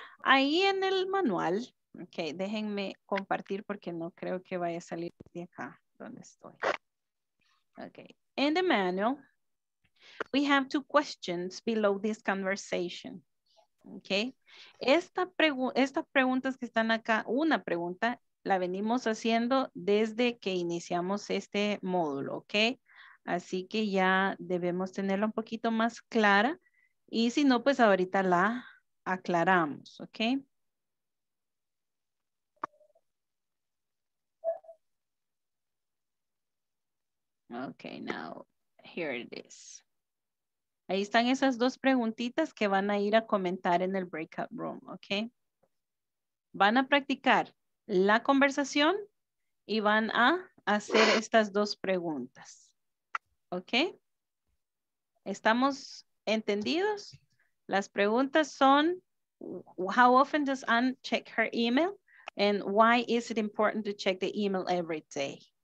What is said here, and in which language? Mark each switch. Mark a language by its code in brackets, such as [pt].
[es] Ahí en el manual, okay, déjenme compartir porque no creo que vaya a salir de acá donde estoy. [en] Okay, in the manual, we have two questions below this conversation, okay? [es] Estas preguntas que están acá, una pregunta, la venimos haciendo desde que iniciamos este módulo, okay? Así que ya debemos tenerla un poquito más clara y si no, pues ahorita la aclaramos, okay? [en] Okay, now, here it is. [es] Ahí están esas dos preguntitas que van a ir a comentar en el breakout room, ¿ok? Van a practicar la conversación y van a hacer estas dos preguntas, ¿ok? ¿Estamos entendidos? Las preguntas son, [en] how often does Anne check her email? And why is it important to check the email every day?